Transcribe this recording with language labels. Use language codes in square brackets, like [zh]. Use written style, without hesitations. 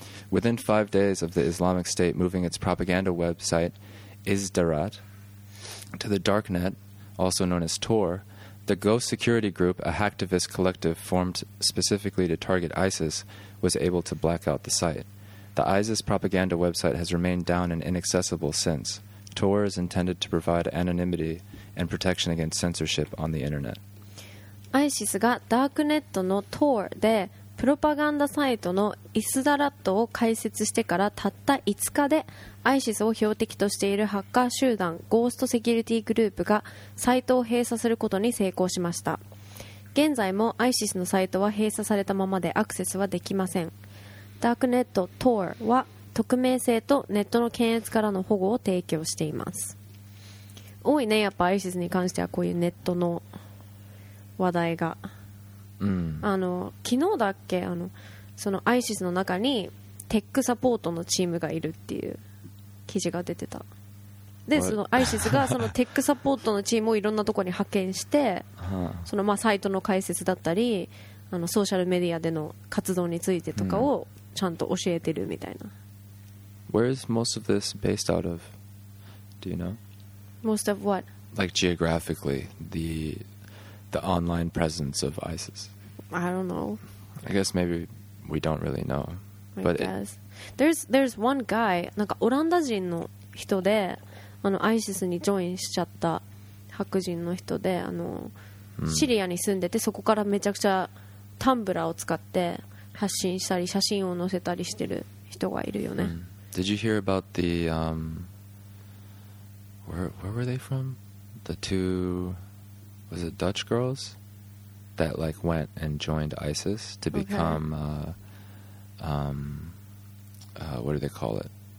[en] Within 5 days of the Islamic State moving its propaganda website, Izdarat, to the darknet, also known as Tor, the Ghost Security Group, a hacktivist collective formed specifically to target ISIS, was able to black out the site. The ISIS propaganda website has remained down and inaccessible since. Tor is intended to provide anonymity and protection against censorship on the internet. [ja] ISIS がダークネットの Tor でプロパガンダサイトのイスダラットを開設してからたった5日で ISIS を標的としているハッカー集団ゴーストセキュリティグループがサイトを閉鎖することに成功しました。現在も ISIS のサイトは閉鎖されたままでアクセスはできません。ダークネット Tor は匿名性とネットの検閲からの保護を提供しています。多いね、やっぱ ISIS に関してはこういうネットの話題が。うん、昨日だっけその ISIS の中にテックサポートのチームがいるっていう記事が出てた。で、 [en] What? [ja] その ISIS がそのテックサポートのチームをいろんなところに派遣して、そのまあサイトの解説だったり、ソーシャルメディアでの活動についてとかを、うん。ちゃんと教えてるみたいな。 [en] Where is most of this based out of? Do you know? Most of what? Like geographically, the the online presence of ISIS? I don't know. I guess maybe we don't really know. I guess. There's one guy, [ja] なんかオランダ人の人で、あの ISIS にジョインしちゃった白人の人で、あの、シリアに住んでて、そこからめちゃくちゃタンブラーを使って発信したり、写真を載せたりしてる人がいるよね。 [en] Did you hear about the, where were they from? The two, was it Dutch girls that like went and joined ISIS to become, what do they call it?